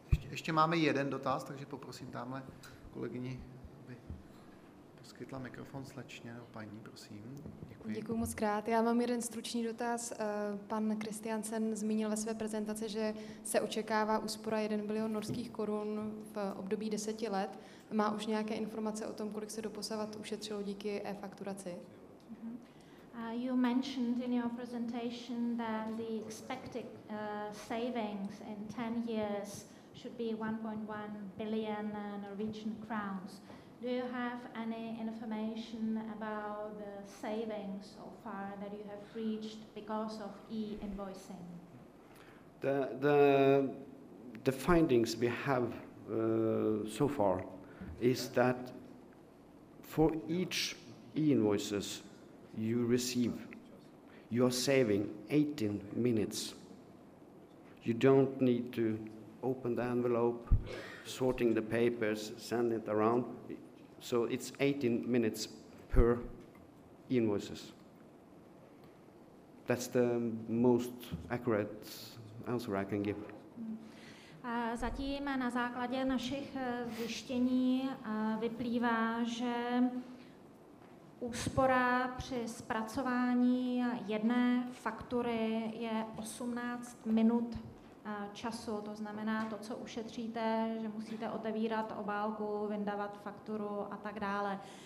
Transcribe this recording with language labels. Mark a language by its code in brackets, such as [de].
[cs] Ještě máme jeden dotaz, takže poprosím tamhle kolegyni, aby poskytla mikrofon slečně, nebo paní, prosím. Děkuji. Děkuji moc krát. Já mám jeden stručný dotaz. Pan Kristiansen zmínil ve své prezentaci, že se očekává úspora 1 bilion norských korun v období 10 let. Má už nějaké informace o tom, kolik se doposavat ušetřilo díky e-fakturaci? [en] You mentioned in your presentation that the expected savings in 10 years should be 1.1 billion Norwegian crowns. Do you have any information about the savings so far that you have reached because of e-invoicing? The findings we have so far is that for each e-invoices you receive, you are saving 18 minutes. You don't need to open the envelope, sorting the papers, send it around. So it's 18 minutes per invoices. That's the most accurate answer I can give. [cs] Zatím na základě našich zjištění vyplývá, že úspora při zpracování jedné faktury je 18 minut času, to znamená to, co ušetříte, že musíte otevírat obálku, vyndavat fakturu a tak dále.